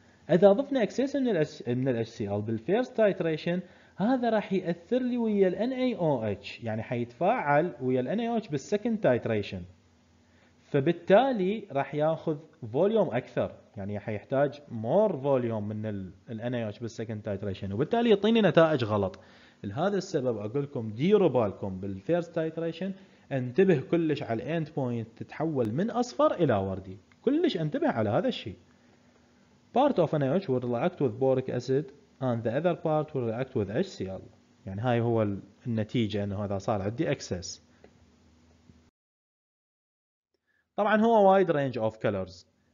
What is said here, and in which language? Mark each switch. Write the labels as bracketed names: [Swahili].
[Arabic] اذا ضفنا اكسس من الاتش سي ال بالفيرست تايتريشن هذا راح ياثر لي ويا الان اي او اتش، يعني حيتفاعل ويا الان اي او اتش بالسكند تايتريشن، فبالتالي راح ياخذ فوليوم اكثر، يعني حيحتاج مور فوليوم من الان اي او اتش بالسكند تايتريشن، وبالتالي يعطيني نتائج غلط. لهذا السبب اقول لكم ديروا بالكم بالفيرست تايتريشن، انتبه كلش على الاند بوينت تتحول من اصفر الى وردي، كلش انتبه على هذا الشيء. [English] Part of NIH will react with boric acid and the other part will react with HCl. [Arabic] يعني هاي هو النتيجة انه هذا صار عندي excess. طبعا هو [English] wide range of colors.